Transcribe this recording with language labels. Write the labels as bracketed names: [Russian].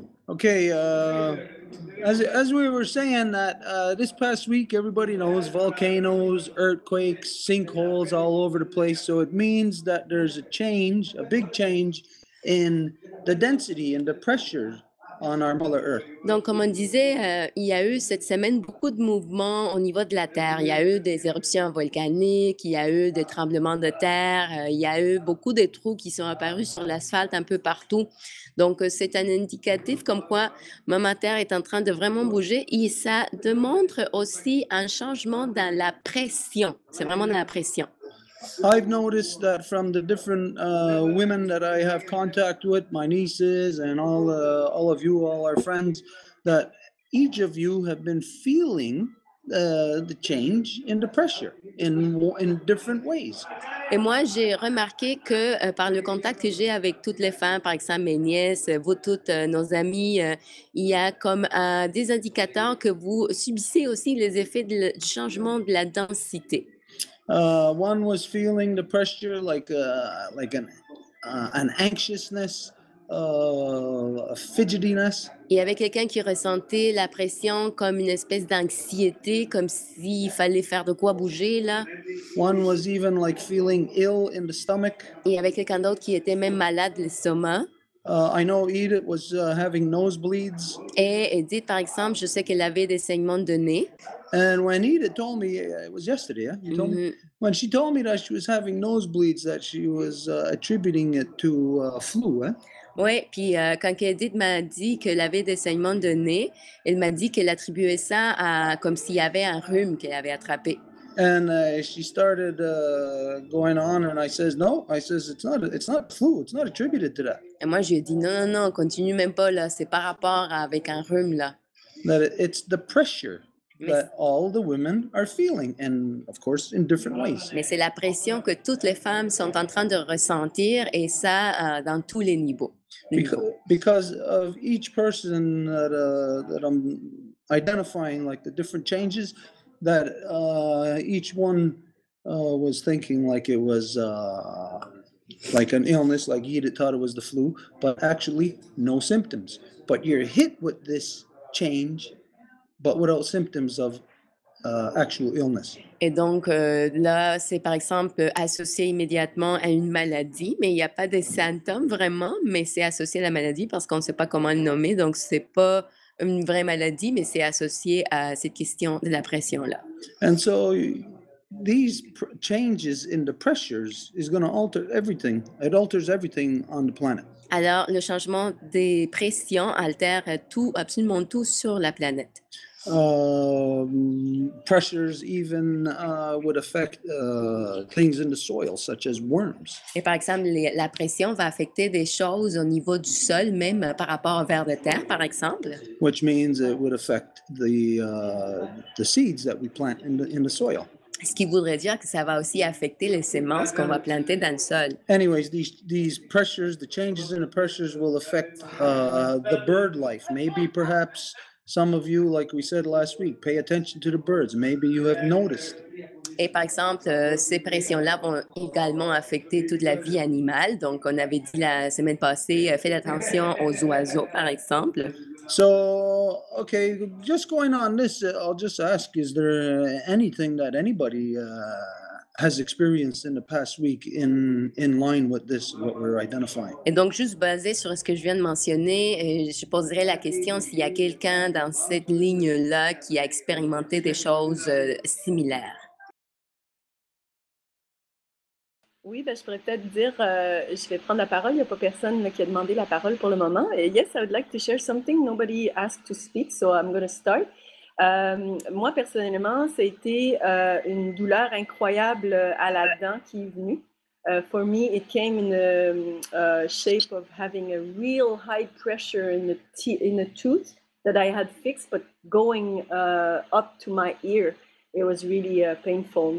[English] Okay, as we were saying that this past week, everybody knows volcanoes, earthquakes, sinkholes all over the place. So it means that there's a change, a big change in the density and the pressure on our Mother Earth. [French] Donc, comme on disait, il y a eu cette semaine beaucoup de mouvements au niveau de la Terre. Il y a eu des éruptions volcaniques, il y a eu des tremblements de terre, il y a eu beaucoup de trous qui sont apparus sur l'asphalte un peu partout. Donc, c'est un indicatif comme quoi Mama Terre est en train de vraiment bouger et ça démontre aussi un changement dans la pression. C'est vraiment dans la pression. [English] I've noticed that from the different women that I have contact with, my nieces and all of you, all our friends, that each of you have been feeling the change in the pressure in different ways. [French] Et moi, j'ai remarqué que par le contact que j'ai avec toutes les femmes, par exemple mes nièces, vous toutes, nos amies, il y a comme des indicateurs que vous subissez aussi les effets du changement de la densité. [English] One was feeling the pressure like an anxiousness, a fidgetiness. [French] Il y avait quelqu'un qui ressentait la pression comme une espèce d'anxiété, comme s'il fallait faire de quoi bouger là. [English] One was even like feeling ill in the stomach. [French] Il y avait quelqu'un d'autre qui était même malade de l'estomac. [English] I know Edith was having nosebleeds. [French] Et Edith, par exemple, je sais qu'elle avait des saignements de nez. [English] And when Edith told me, it was yesterday, yeah? You told me, when she told me that she was having nosebleeds, that she was attributing it to flu, eh? [French] Ouais, puis quand Edith m'a dit qu'elle avait des saignements de nez, elle m'a dit qu'elle attribuait ça à comme s'il y avait un rhume qu'elle avait attrapé. [English] And she started going on, and I says it's not flu, it's not attributed to that. [French] Et moi je lui ai dit non, continue même pas là, c'est par rapport avec un rhume là. [English] That it's the pressure that all the women are feeling, and of course in different ways. [French] Mais c'est la pression que toutes les femmes sont en train de ressentir, et ça dans tous les niveaux. [English] Because of each person that I'm identifying, like the different changes. That each one was thinking like it was like an illness, like Edith thought it was the flu, but actually no symptoms. But you're hit with this change, but without symptoms of actual illness. [French] Et donc là, c'est par exemple associé immédiatement à une maladie, mais il n'y a pas de symptômes vraiment, mais c'est associé à la maladie parce qu'on ne sait pas comment le nommer, donc c'est pas une vraie maladie, mais c'est associé à cette question de la pression là. [English] And so these changes in the pressures is going to alter everything. It alters everything on the planet. [French] Alors le changement des pressions altère tout, absolument tout sur la planète. [English] Pressures even would affect things in the soil, such as worms. [French] Et par exemple, la pression va affecter des choses au niveau du sol, même par rapport aux vers de terre, par exemple. [English] Which means it would affect the seeds that we plant in the soil. [French] Ce qui voudrait dire que ça va aussi affecter les semences qu'on va planter dans le sol. [English] Anyways, these pressures, the changes in the pressures will affect the bird life. Maybe perhaps some of you, like we said last week, pay attention to the birds. Maybe you have noticed. [French] Et par exemple, ces pressions-là vont également affecter toute la vie animale. Donc, on avait dit la semaine passée, faites attention aux oiseaux, par exemple. [English] So, okay, just going on this, I'll just ask, is there anything that anybody has experienced in the past week in line with this, what we're identifying? [French] Et donc, juste basé sur ce que je viens de mentionner, je poserai la question s'il y a quelqu'un dans cette ligne-là qui a expérimenté des choses similaires. Oui, ben, je pourrais peut-être dire, je vais prendre la parole, il n'y a pas personne là, qui a demandé la parole pour le moment. [English] Yes, I would like to share something, nobody asked to speak, so I'm going to start. [French] Moi, personnellement, ça a été une douleur incroyable à la dent qui est venue. [English] For me, it came in the shape of having a real high pressure in the tooth that I had fixed, but going up to my ear, it was really painful.